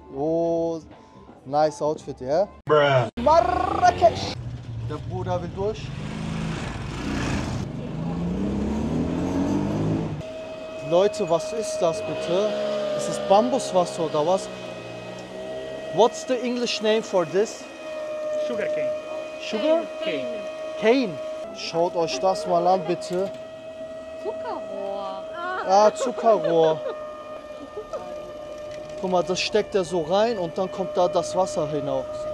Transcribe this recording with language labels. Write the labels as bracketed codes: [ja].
[de] Oh, nice Outfit, ja? Marrakesch. Der Bruder will durch. Leute, was ist das bitte? Ist das Bambuswasser oder was? [en] What's the English name for this? Sugar cane. Sugar? Cane. Cane. [de] Schaut euch das mal an bitte. Zuckerrohr. Ah, Zuckerrohr. Guck mal, das steckt er so rein und dann kommt da das Wasser hinaus.